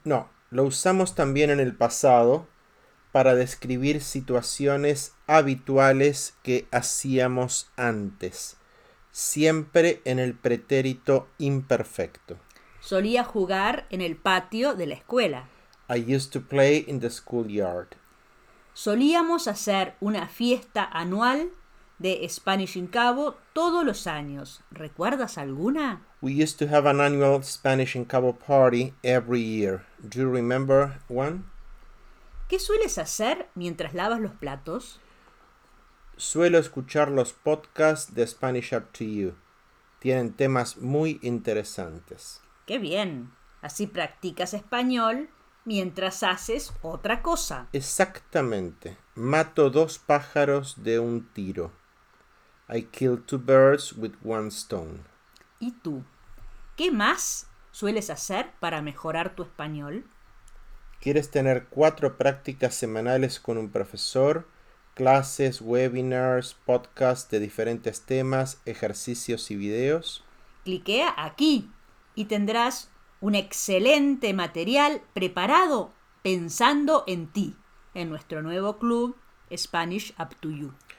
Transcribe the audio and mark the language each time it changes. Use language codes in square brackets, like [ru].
[es] No, lo usamos también en el pasado para describir situaciones habituales que hacíamos antes. Siempre en el pretérito imperfecto. Solía jugar en el patio de la escuela. [en] I used to play in the schoolyard. [es] Solíamos hacer una fiesta anual de Spanish in Cabo todos los años. ¿Recuerdas alguna? [en] We used to have an annual Spanish in Cabo party every year. Do you remember one? [es] ¿Qué sueles hacer mientras lavas los platos? Suelo escuchar los podcasts de Spanish Up to You. Tienen temas muy interesantes. ¡Qué bien! Así practicas español mientras haces otra cosa. Exactamente. Mato dos pájaros de un tiro. [en] I kill two birds with one stone. [es] ¿Y tú? ¿Qué más sueles hacer para mejorar tu español? ¿Quieres tener 4 prácticas semanales con un profesor? ¿Clases, webinars, podcasts de diferentes temas, ejercicios y videos? Cliquea aquí y tendrás un excelente material preparado pensando en ti, en nuestro nuevo club Spanish Up to You.